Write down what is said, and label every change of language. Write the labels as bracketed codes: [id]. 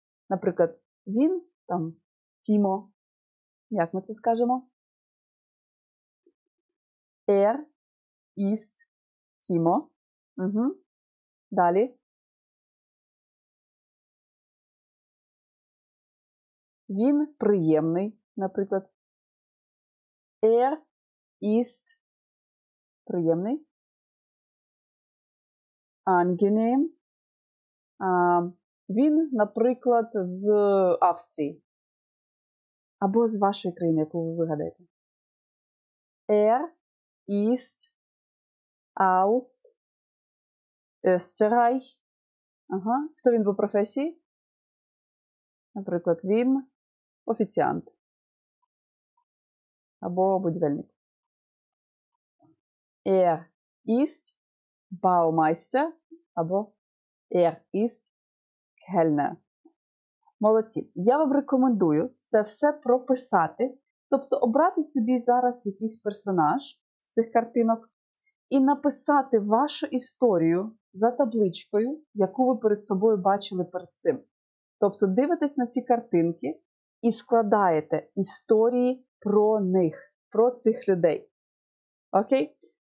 [uk] Наприклад, він, там, Тімо, як ми це скажемо? [de] Er ist Timo. [uk] Далі. Він приємний, наприклад. [de] Er ist [uk] приємний. [de] Angenehm. [uk] Він, наприклад, з Австрії. Або з вашої країни, яку ви вигадаєте. [de] Er ist aus Österreich. [uk] Ага. Хто він по професії? Наприклад, він офіціант. Або будівельник. [de] Er ist Baumeister. [uk] Або [de] Er ist Kellner. [uk] Молодці. Я вам рекомендую це все прописати. Тобто обрати собі зараз якийсь персонаж з цих картинок і написати вашу історію за табличкою, яку ви перед собою бачили перед цим. Тобто дивитесь на ці картинки і складаєте історії про них, про цих людей. Окей?